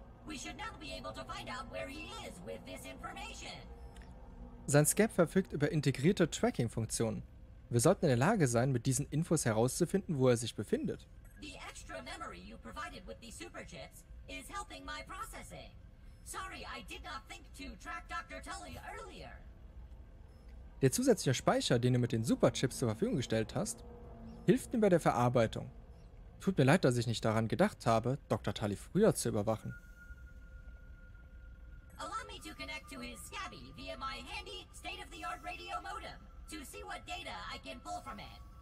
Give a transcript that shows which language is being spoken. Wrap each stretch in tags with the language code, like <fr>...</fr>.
<en>We should now be able to find out where he is with this information.</en> <de>Sein Scab verfügt über integrierte Tracking-Funktionen. Wir sollten in der Lage sein, mit diesen Infos herauszufinden, wo er sich befindet.</de> <en>The extra memory you provided with the superchips is helping my processing. Sorry, I did not think to track Dr. Tully earlier.</en> <de>Der zusätzliche Speicher, den du mit den Superchips zur Verfügung gestellt hast, hilft mir bei der Verarbeitung. Tut mir leid, dass ich nicht daran gedacht habe, Dr. Tully früher zu überwachen.</de> <en>Allow me to connect to his scabby via my handy state-of-the-art radio modem to see what data I can pull from it.</en>